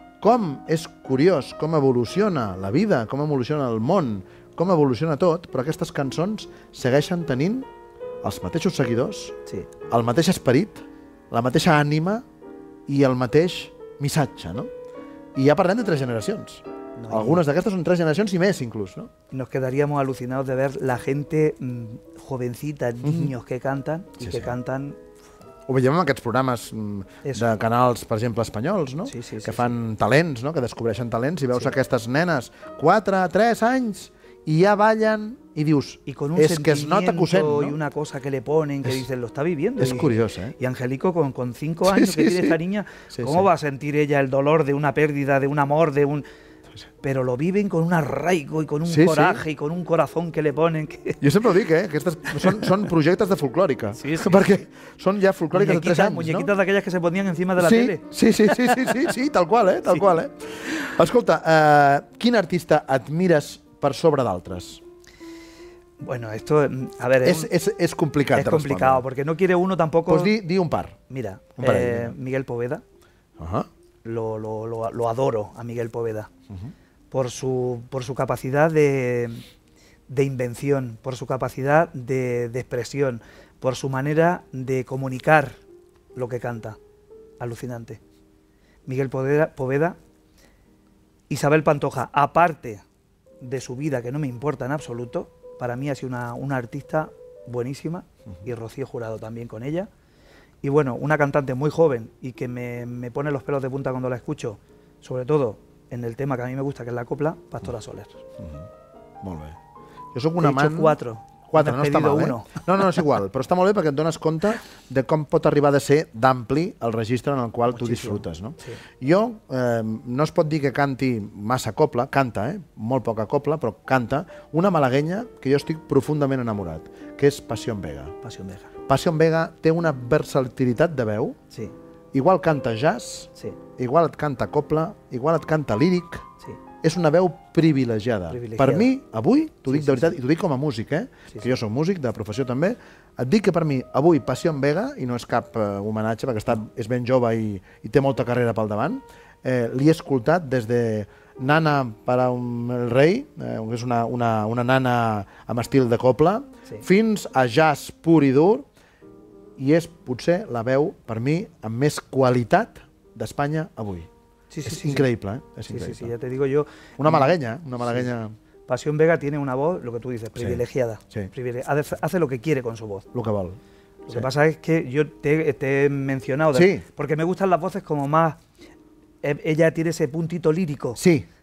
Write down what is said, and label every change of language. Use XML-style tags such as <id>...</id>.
<ca>Com és curiós, com evoluciona la vida, com evoluciona el món, com evoluciona tot, però aquestes cançons segueixen tenint els mateixos seguidors, sí, el mateix esperit, la mateixa ànima i el mateix missatge, no? I ja parlem de tres generacions.</ca> <es>No, algunas de estas son tres generaciones y más incluso, ¿no? Nos quedaríamos alucinados de ver la gente jovencita, niños que cantan y sí, que sí, cantan.</es> <ca>Ho veiem en aquests programes de canals, per exemple, espanyols, no? Sí, sí, que fan sí, talents, no? Que descobreixen talents i veus sí, aquestes nenes, 4, 3 anys</ca> <es>y ya vayan y dius, y con un sentimiento y una cosa que le ponen, que dicen, lo está viviendo. Es curioso, ¿eh? Y Angélico, con 5 años que tiene esta niña, ¿cómo va a sentir ella el dolor de una pérdida, de un amor, de un...? Pero lo viven con un arraigo y con un coraje y con un corazón que le ponen. Que... Yo siempre lo digo, ¿eh? Que estas son proyectos de folclórica. Sí, sí. Porque son ya folclóricas de 3 años, ¿no? Muñequitas de aquellas que se ponían encima de la tele. Sí, tal cual, ¿eh?</es> <ca>Escolta, ¿quin artista admires per sobre d'altres?</ca> <es>Bueno, esto, a ver... Es complicado. Es complicado, responder. Porque no quiere uno tampoco... Pues di un par. Mira, Miguel Poveda. Ajá. Lo adoro a Miguel Poveda. Uh-huh. Por su capacidad de invención, por su capacidad de expresión, por su manera de comunicar lo que canta. Alucinante. Miguel Poveda, Isabel Pantoja, aparte de su vida, que no me importa en absoluto, para mí ha sido una artista buenísima, uh-huh. y Rocío Jurado también con ella. Y bueno, una cantante muy joven y que me pone los pelos de punta cuando la escucho, sobre todo en el tema que a mí me gusta, que es la copla, Pastora Soler.</es> <ca>Mm-hmm. Molt bé. Jo soc un amant...</ca> <es>He dicho cuatro, no está mal, ¿eh?</es> <ca>No, és igual, però està molt bé perquè et dones compte de com pot arribar a ser d'ampli el registre en el qual tu disfrutes, no? Sí. Jo no es pot dir que canti massa copla, canta, molt poca copla, però canta una malaguenya que jo estic profundament enamorat, que és Passión Vega. Passión Vega. Passión Vega té una versatilitat de veu. Sí. Igual canta jazz, sí. Igual et canta copla, igual et canta líric. Sí. És una veu privilegiada. Privilegiada. Per mi, avui, t'ho dic de veritat, i t'ho dic com a músic, que jo soc músic de professió també, et dic que per mi, avui, Passión Vega, i no és cap homenatge, perquè és ben jove i té molta carrera pel davant, l'hi he escoltat des de Nana para el rei, que és una nana amb estil de copla, sí. fins a jazz pur i dur, i és potser la veu, per mi, amb més qualitat d'Espanya avui. Sí, increïble, sí. És increïble.</ca> <es>Sí, ja te digo yo... Una malagueña. Sí. Passión Vega tiene una voz, lo que tú dices, privilegiada. Sí. Hace lo que quiere con su voz. Lo que vol. Lo que pasa es que yo te he mencionado... Sí. Porque me gustan las voces como más... Ella tiene ese puntito lírico. Sí.</es>